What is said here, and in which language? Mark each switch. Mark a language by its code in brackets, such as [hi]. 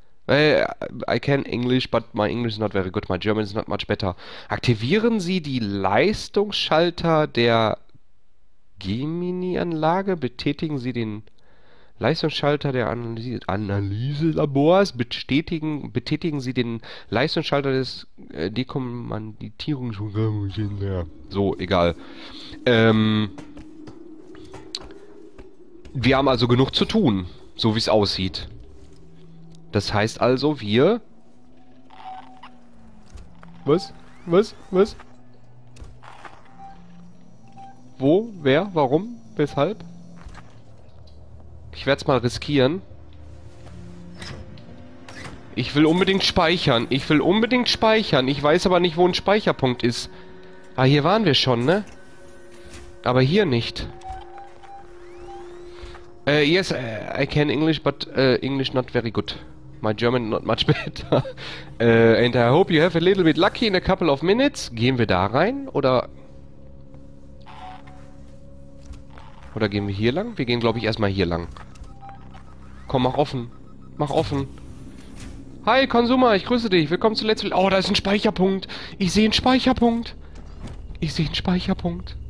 [en] I can English, but my English is not very good. My German is not much better. [de] Aktivieren Sie die Leistungsschalter der Gemini-Anlage. Betätigen Sie den Leistungsschalter der Analyselabors. Betätigen Sie den Leistungsschalter des Dekommanditierungs... So, egal. Wir haben also genug zu tun, so wie es aussieht. Das heißt also, wir... Was? Wo? Wer? Warum? Weshalb? Ich werde es mal riskieren. Ich will unbedingt speichern. Ich will unbedingt speichern. Ich weiß aber nicht, wo ein Speicherpunkt ist. Ah, hier waren wir schon, ne? Aber hier nicht. [en] Yes, I can English, but English not very good. My German not much better. And I hope you have a little bit lucky in a couple of minutes. [de] Gehen wir da rein? Oder gehen wir hier lang? Wir gehen, glaube ich, erstmal hier lang. Komm, mach offen. Mach offen. Hi, Consumer, ich grüße dich. Willkommen zu Let's Play. Oh, da ist ein Speicherpunkt. Ich sehe einen Speicherpunkt. Ich sehe einen Speicherpunkt.